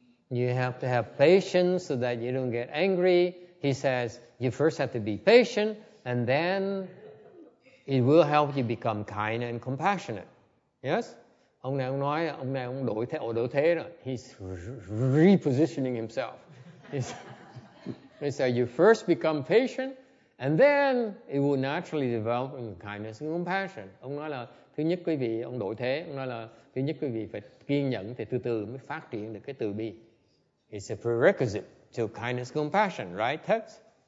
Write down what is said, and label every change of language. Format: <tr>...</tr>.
<en>You have to have patience so that you don't get angry. He says, you first have to be patient, and then it will help you become kind and compassionate. Yes?</en> <vi>Ông này ông nói, ông này ông đổi thế rồi.</vi> <en>He's repositioning himself. He said, you first become patient, and then it will naturally develop kindness and compassion.</en> <vi>Ông nói là, thứ nhất quý vị, ông đổi thế, ông nói là, thứ nhất quý vị phải kiên nhẫn, thì từ từ mới phát triển được cái từ bi.</vi> <en>It's a prerequisite to kindness and compassion, right, Tex?</en>